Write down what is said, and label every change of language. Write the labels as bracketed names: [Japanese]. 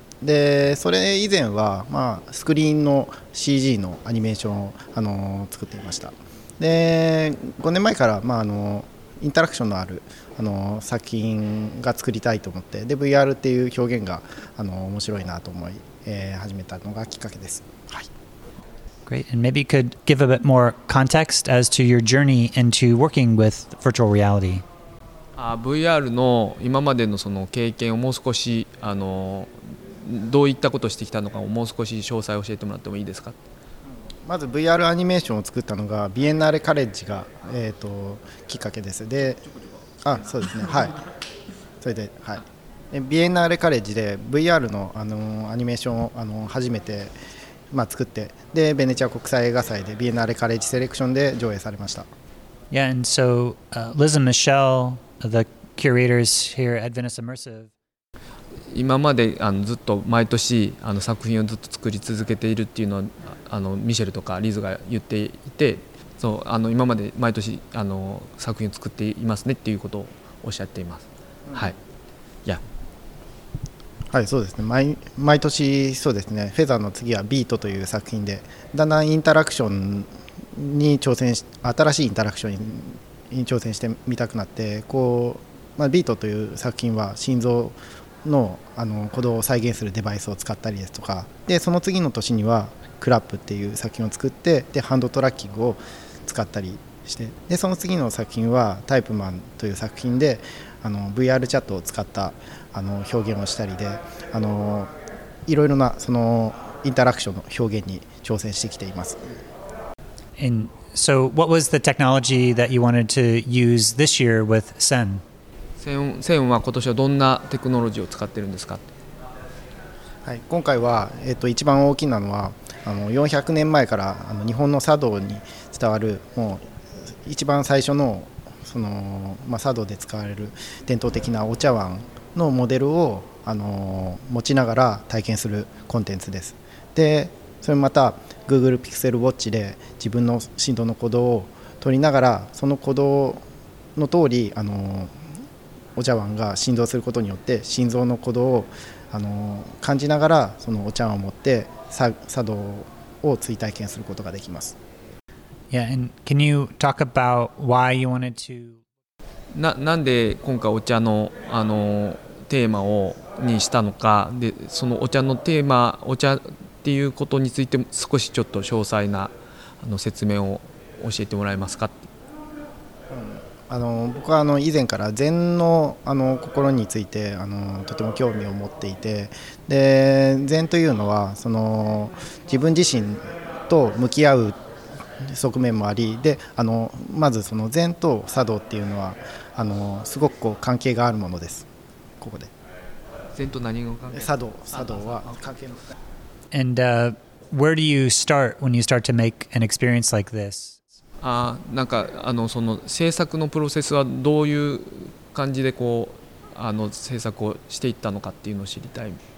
[Japanese] でそれ以前は、まあ、スクリーンの CG のアニメーションを作っていました。で5年前から、まあ、インタラクションのある作品が作りたいと思ってで VR っていう表現が面白いなと思い、始めたのがきっかけです、はい、 [English] Great, and maybe you could give a bit more context as to your journey into working with virtual reality. [Japanese] VR の今までのその経験をもう少しどういったことをしてきたのかをもう少し詳細を教えてもらってもいいですか。まず VR アニメーションを作ったのがビエンナーレカレッジが、きっかけです。で、あ、そうですね。はい。それで、はい。ビエンナーレカレッジで VR のアニメーションを初めて、まあ、作って、でベネチア国際映画祭でビエンナーレカレッジセレクションで上映されました。 [English] Yeah, and so Liz and Michelle, the curators here at Venice Immersive. [Japanese] 今までずっと毎年作品をずっと作り続けているっていうのはミシェルとかリズが言っていてそう今まで毎年作品を作っていますねっていうことをおっしゃっています、うん、はい、yeah. はい、そうですね 毎年そうですねフェザーの次はビートという作品でだんだんインタラクションに挑戦し新しいインタラクションに挑戦してみたくなってこう、まあ、ビートという作品は心臓の鼓動を再現するデバイスを使ったりですとかでその次の年にはクラップっていう作品を作ってでハンドトラッキングを使ったりして、でその次の作品はタイプマンという作品で、あの VR チャットを使ったあの表現をしたりで、あのいろいろなそのインタラクションの表現に挑戦してきています。 [English] And so what was the technology that you wanted to use this year with Sen? [Japanese] Sen は今年はどんなテクノロジーを使っているんですか？はい、今回は、一番大きなのは、あの400年前からあの日本の茶道に伝わる、もう一番最初 の、 その、まあ、茶道で使われる伝統的なお茶碗のモデルをあの持ちながら体験するコンテンツです。でそれまた Google Pixel Watch で自分の振動の鼓動を取りながら、その鼓動の通りあのお茶碗が振動することによって、心臓の鼓動をあの感じながらそのお茶碗を持って茶道を追体験することができます。 [English] Yeah, and can you talk about why you wanted to [Japanese] なんで今回お茶のあのテーマをにしたのか、でそのお茶のテーマ、お茶っていうことについて少しちょっと詳細なあの説明を教えてもらえますか？あの僕はあの以前から禅 の、 あの心についてあのとても興味を持っていて、で禅というのはその自分自身と向き合う側面もあり、であのまずその禅と茶道っていうのはあのすごくこう関係があるものです。ここで禅と何が関係？茶道は関係の。 [English] And where do you start when you start to make an experience like this? [Japanese] なんかあのその制作のプロセスはどういう感じでこうあの制作をしていったのかっていうのを知りたい。